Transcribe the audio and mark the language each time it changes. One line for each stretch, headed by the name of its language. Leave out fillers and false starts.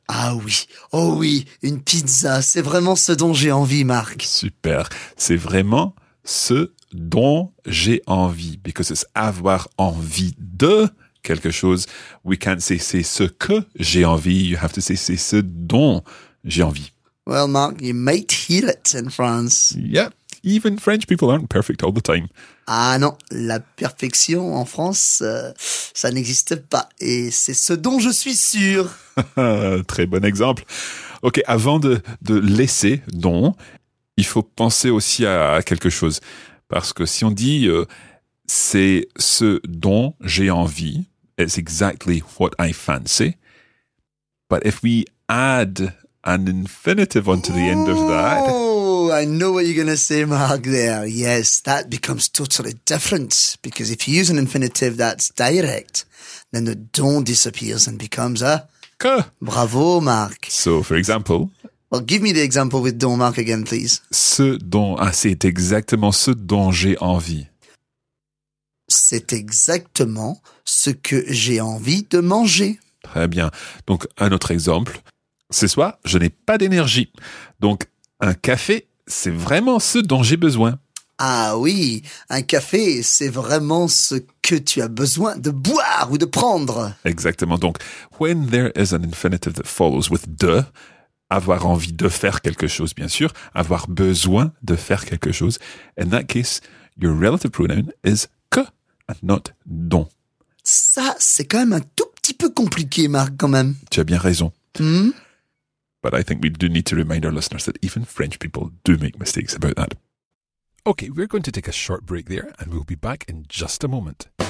French: Ah oui. Oh oui, une pizza. C'est vraiment ce dont j'ai envie, Marc. Super. C'est vraiment ce dont j'ai envie.
English: Because it's
French: avoir envie de quelque chose.
English: We can't say
French: c'est ce que j'ai envie.
English: You have to say
French: c'est ce dont j'ai envie.
English: Well, Mark, you might hear it in France. Yeah, even French people aren't perfect all the time.
French: Ah non, la perfection en France, ça n'existe pas. Et c'est ce dont je suis sûr. Très bon exemple. Ok, avant de laisser don, il faut penser aussi à quelque chose. Parce que si on dit c'est ce dont j'ai envie,
English: it's exactly what I fancy. But if we add an infinitive onto the end of that. Oh, I know what you're going to say, Mark, there. Yes, that becomes totally different. Because if you use an infinitive that's direct, then the don disappears and becomes a...
French: Que.
English: Bravo, Mark. So, for example... Well, give me the example with don, Mark, again, please.
French: Ce don, ah, c'est exactement ce dont j'ai envie. C'est exactement ce que j'ai envie de manger. Très bien. Donc, un autre exemple... Ce soir, je n'ai pas d'énergie. Donc, un café, c'est vraiment ce dont j'ai besoin. Ah oui, un café, c'est vraiment ce que tu as besoin de boire ou de prendre. Exactement. Donc,
English: when there is an infinitive that follows with de,
French: avoir envie de faire quelque chose, bien sûr, avoir besoin de faire quelque chose,
English: in that case, your relative pronoun is que and not don.
French: Ça, c'est quand même un tout petit peu compliqué, Marc, quand même. Tu as bien raison. Hmm?
English: But I think we do need to remind our listeners that even French people do make mistakes about that. Okay, we're going to take a short break there and we'll be back in just a moment.